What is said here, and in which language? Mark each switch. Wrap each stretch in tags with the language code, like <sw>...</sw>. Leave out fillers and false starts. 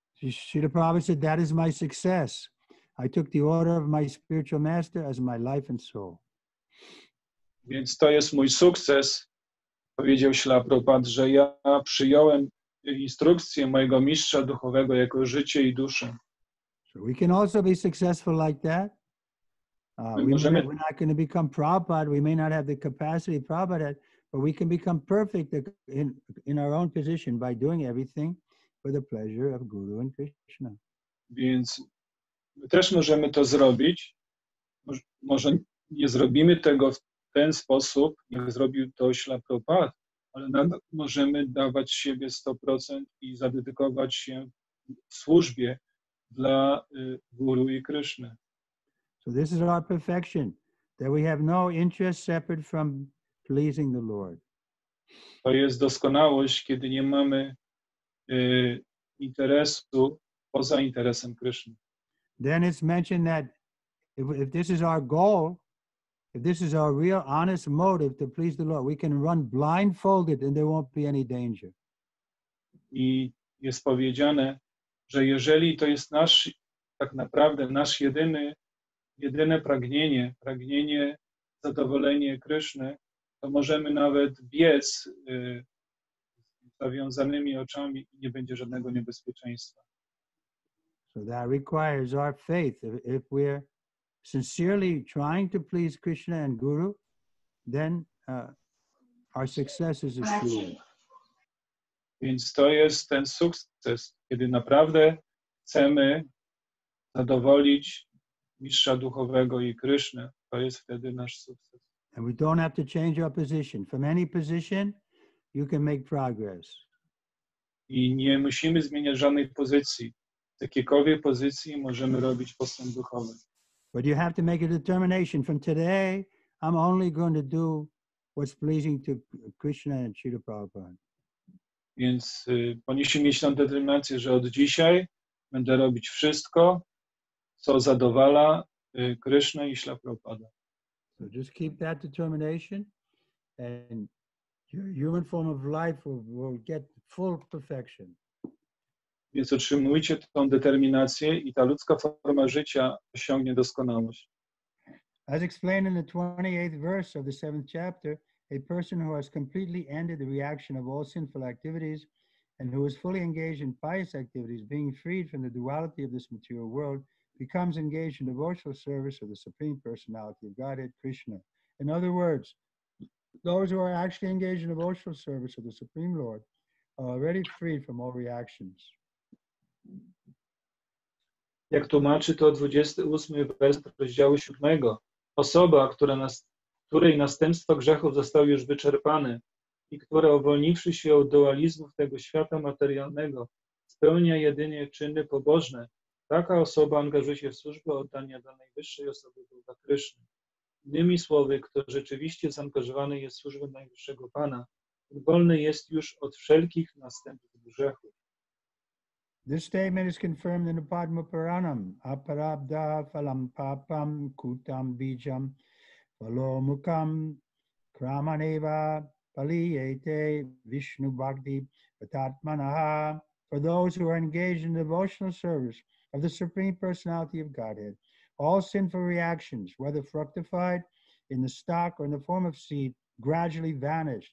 <en>Srila Prabhupada said, that is my success. I took the order of my spiritual master as my life and soul.</en> <pl>Więc to jest mój sukces, powiedział Śrila Prabhupada, że ja przyjąłem instrukcję mojego mistrza duchowego jako życie i duszę.</pl> <en>So we can also be successful like that. We're not going to become Prabhupada. We may not have the capacity Prabhupada had, but we can become perfect in our own position by doing everything for the pleasure of Guru and Krishna.</en> <pl>Więc my też możemy to zrobić. Może nie zrobimy tego w ten sposób, jak zrobił to Śla Prabhupada, ale nadal możemy dawać siebie 100% i zadedykować się w służbie dla Guru i Krishna.</pl> <en>So this is our perfection, that we have no interest separate from pleasing the Lord.</en> <pl>To jest doskonałość, kiedy nie mamy interesu poza interesem Krishna.</pl> <en>Then it's mentioned that if this is our goal, if this is our real honest motive to please the Lord, we can run blindfolded and there won't be any danger.</en> <pl>I jest powiedziane, że jeżeli to jest nasz, tak naprawdę nasz jedyne pragnienie zadowolenie Kryszny, to możemy nawet biec z zawiązanymi oczami i nie będzie żadnego niebezpieczeństwa.</pl> <en>So that requires our faith. If we're sincerely trying to please Krishna and Guru, then our success is assured.</en> <pl>Więc to jest ten sukces, kiedy naprawdę chcemy zadowolić mistrza duchowego i Krishna, to jest wtedy nasz sukces.</pl> <en>And we don't have to change our position. From any position, you can make progress.</en> <pl>I nie musimy zmieniać żadnej pozycji. Z jakiejkolwiek pozycji możemy robić postęp duchowy.</pl> <en>But you have to make a determination. From today, I'm only going to do what's pleasing to Krishna and Srila Prabhupada.</en> <pl>Więc powinniśmy mieć tę determinację, że od dzisiaj będę robić wszystko, co zadowala Krishna i Śla Prabhupada.</pl> <en>So just keep that determination and your human form of life will get full perfection.</en> <pl>Więc otrzymujcie tą determinację i ta ludzka forma życia osiągnie doskonałość.</pl> <en>As explained in the 28th verse of the 7th chapter, a person who has completely ended the reaction of all sinful activities and who is fully engaged in pious activities, being freed from the duality of this material world, becomes engaged in devotional service of the Supreme Personality of Godhead, Krishna. In other words, those who are actually engaged in devotional service of the Supreme Lord are already freed from all reactions.</en> <pl>Jak tłumaczy to 28 werset rozdziału 7. Osoba, której następstwo grzechów został już wyczerpany i która uwolniwszy się od dualizmów tego świata materialnego spełnia jedynie czyny pobożne. Taka osoba angażuje się w służbę oddania dla najwyższej osoby Boga Kryszny. Innymi słowy, kto rzeczywiście zaangażowany jest w służbę najwyższego Pana, wolny jest już od wszelkich następstw grzechów.</pl> <en>This statement is confirmed in the Padma Puranam.</en> <sa>Aparabdha phalam papam kutam bijam phalomukam kramaneva paliyete vishnu bhakti patatmanaha.</sa> <en>For those who are engaged in devotional service of the Supreme Personality of Godhead, all sinful reactions, whether fructified in the stock or in the form of seed, gradually vanish.</en>